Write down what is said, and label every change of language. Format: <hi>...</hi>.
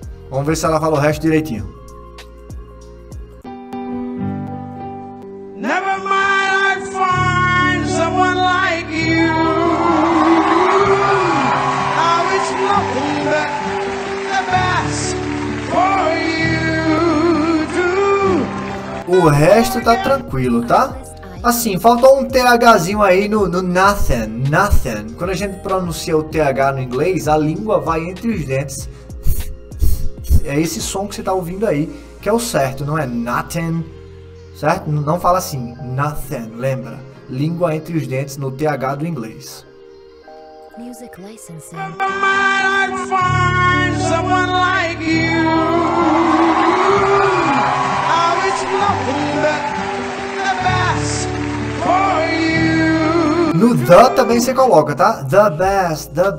<pt>Vamos ver se ela fala o resto direitinho.</pt> <en>Never mind, I'd find someone like you. How it's nothing but the best for you too.</en> <pt>O resto tá tranquilo, tá? Assim, faltou um THzinho aí no nothing. Quando a gente pronuncia o TH no inglês, a língua vai entre os dentes. É esse som que você tá ouvindo aí, que é o certo, não é nothing, certo? Não fala assim, nothing, lembra? Língua entre os dentes no TH do inglês.</pt> <en>Music licensing. Never mind, I'd find someone like you. How it's nothing but the best for you.</en> <pt>No the também você coloca, tá?</pt> <en>The best.</en>